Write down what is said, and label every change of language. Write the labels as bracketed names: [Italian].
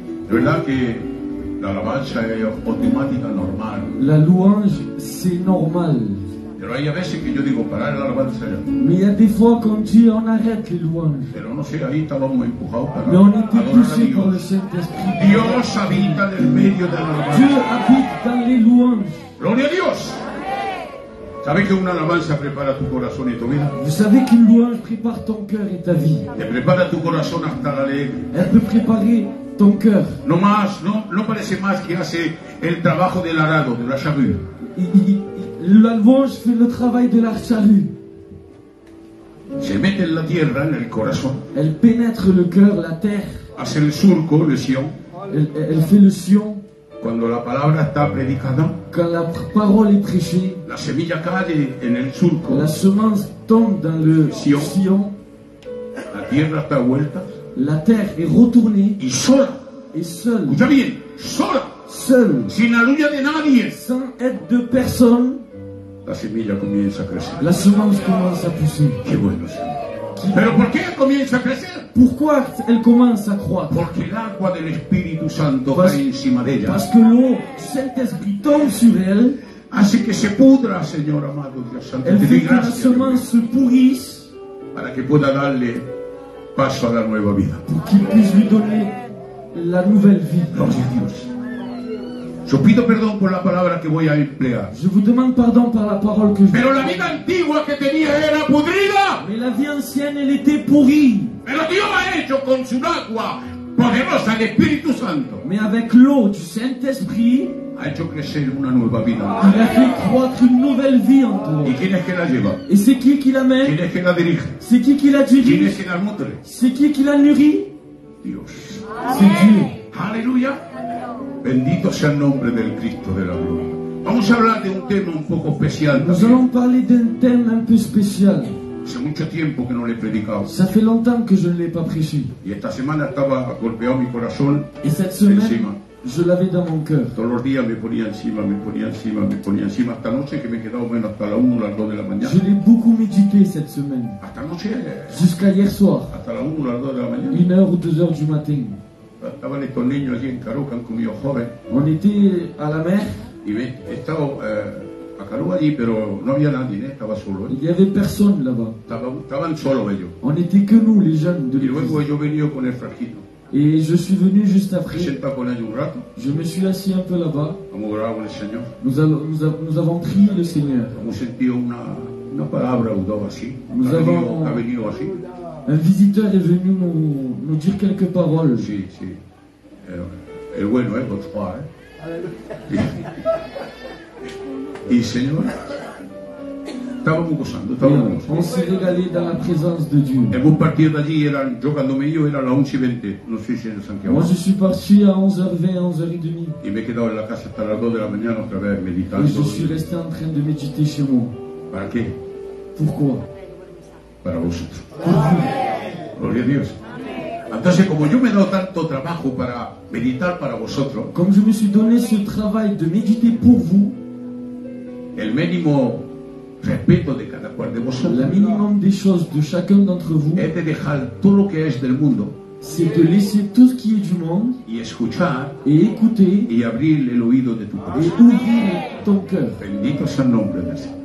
[Spanish] De verdad que la alabanza es automática, normal. [French] La louange, c'est normal. [Spanish] Pero hay veces que yo digo parar la alabanza ya. [French] Mais il y a des fois qu'on dit on arrête les louanges. [Spanish] Pero no sé, ahí estábamos empujados para. [French] Mais on était poussés par le Saint-Esprit. [Spanish] Dios habita en el medio de la alabanza. [French] Dieu habite dans les louanges. [Spanish] Gloria a Dios. ¿Sabes que una alabanza prepara tu corazón y tu vida? [French] Vous savez qu'une louange prépare ton cœur et ta vie. [Spanish] Te prepara tu corazón hasta la alegría. [French] Elle peut préparer ton cœur. [Spanish] No más, no, no parece más que hace el trabajo del arado, de la charrue. [French] La louange fait le travail de la charrue. [Spanish] Se mete en la tierra, en el corazón. [French] Elle pénètre le cœur, la terre. [Spanish] Hace el surco, [French] le sillon. Elle fait le sillon. [Spanish] Cuando la palabra está predicada. [French] Quand la parole est prêchée. [Spanish] La semilla cae en el surco. [French] La semence tombe dans le sillon. [Spanish] La tierra está vuelta. [French] La terre est retournée. [Spanish] Y sola. [French] Et seule. [Spanish] Escucha bien, sola. [French] Seul. [Spanish] Sin aluya de nadie. [French] Sans aide de personne. [Spanish] La semilla comienza a crecer. [French] La semence commence à pousser. [Spanish] Qué bueno, Señor. Pero ¿por qué comienza a crecer? [French] Pourquoi elle commence à croître? [Spanish] Porque el agua del Espíritu Santo cae encima de ella. [French] Parce que l'eau Saint-Esprit tombe sur elle. [Spanish] Hace que se pudra, Señor amado Dios Santo. [French] Elle fait que la semence pourrisse. [Spanish] Para que pueda darle paso a la nueva vida. [French] Pour qu'il puisse lui donner la nouvelle vie. [Spanish] Gloria a Dios. Yo pido perdón por la palabra que voy a emplear. [French] Je vous demande pardon par la parole que je. [Spanish] Pero la vida antigua que tenía era podrida. [French] Mais la vie ancienne elle était pourrie. [Spanish] Pero Dios ha hecho con su agua poderosa el Espíritu Santo. [French] Mais avec l'eau du Saint-Esprit. [Spanish] Ha hecho crecer una nueva vida. [French] Il a fait croître une nouvelle vie en toi. [Spanish] ¿Y quién es que la lleva? [French] Et c'est qui la mène? [Spanish] ¿Quién es que la dirige? [French] C'est qui la dirige? [Spanish] ¿Quién es que la nutre? [French] C'est qui la nourrit? [Spanish] Dios. [French] C'est Dieu. [Spanish] Aleluya. Bendito sea el nombre del Cristo de la gloria. Vamos a hablar de un tema un poco especial. [French] Nous allons parler d'un thème un peu spécial. [Spanish] Hace mucho tiempo que no le he predicado. [French] Ça fait longtemps que je ne l'ai pas prêché. [Spanish] Y esta semana estaba golpeado mi corazón. [French] Et cette semaine, encima. Je l'avais dans mon cœur. [Spanish] Todos los días me ponía encima. Hasta noche que me he quedado menos hasta la 1 o las 2 de la mañana. [French] Je l'ai beaucoup médité cette semaine. [Spanish] Hasta noche. [French] Jusqu'à hier soir. [Spanish] Hasta la 1 o las 2 de la mañana. [French] 1 heure ou 2 heures du matin. [Spanish] Estaban estos niños allí en Carúa, con mi joven. [French] On était à la mer. [Spanish] Y me, he estado a Carúa allí, pero no había nadie, estaba solo. [French] Il y avait personne là-bas. [Spanish] Estaban solos ellos. [French] On était que nous, les jeunes de. [Spanish] Y luego yo venía con el frasquito. [French] Et je suis venu juste après. [Spanish] Me senté con ellos un rato. [French] Je me suis assis un peu là-bas. [Spanish] Vamos a orar al Señor. [French] Nous avons prié le Seigneur. [Spanish] Hemos sentido una palabra o dos así. [French] Nous avons. [Spanish] Ha venido así. [French] Un visiteur est venu nous dire quelques paroles. [Spanish] Si, si. El bueno, Godfrey. Y Señor. Estábamos gozando, estábamos. [French] On s'est régalé dans la présence de Dieu. Et vous partiez [Spanish] d'allí, jugándome yo, era la 11:20. No sé si en Santiago. [French] Moi, je suis parti à 11h20, 11h30. [Spanish] Y me quedé en la casa hasta las 2 de la mañana, otra vez, meditando. [French] Et je suis resté en train de méditer chez moi. [Spanish] ¿Para qué? [French] Pourquoi? [Spanish] Para vosotros. Gloria a Dios. Entonces, como yo me he dado tanto trabajo para meditar para vosotros, [French] comme je me suis donné ce travail de méditer pour vous, [Spanish] el mínimo respeto de cada cual de vosotros, [French] la minimum des choses de chacun d'entre vous, [Spanish] es de dejar todo lo que es del mundo, [French] c'est de laisser tout ce qui est du monde, [Spanish] y escuchar, [French] et écouter, [Spanish] y abrir el oído de tu corazón, [French] et ouvrir ton cœur. [Spanish] Bendito sea el nombre del Señor.